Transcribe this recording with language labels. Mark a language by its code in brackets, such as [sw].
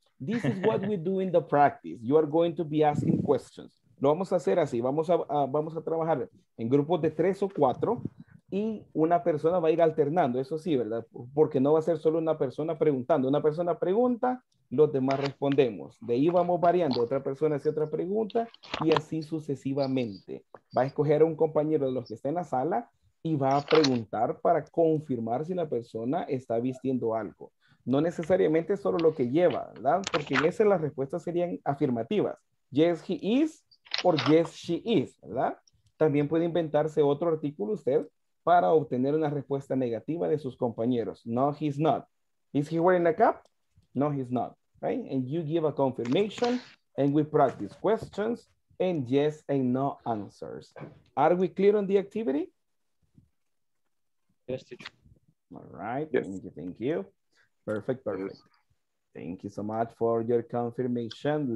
[en] This is what we do in the practice. You are going to be asking questions. [es] Lo vamos a hacer así. Vamos a trabajar en grupos de tres o cuatro y una persona va a ir alternando. Eso sí, ¿verdad? Porque no va a ser solo una persona preguntando. Una persona pregunta, los demás respondemos. De ahí vamos variando. Otra persona hace otra pregunta y así sucesivamente. Va a escoger a un compañero de los que está en la sala y va a preguntar para confirmar si la persona está vistiendo algo. No necesariamente solo lo que lleva, ¿verdad? Porque en ese las respuestas serían afirmativas. [en] Yes, he is, or yes, she is, [es] ¿verdad? También puede inventarse otro artículo usted para obtener una respuesta negativa de sus compañeros. [en] No, he's not. Is he wearing a cap? No, he's not, right? And you give a confirmation and we practice questions and yes and no answers. Are we clear on the activity? Yes, teacher. All right, yes. Thank you. Perfect. Yes. Thank you so much for your confirmation.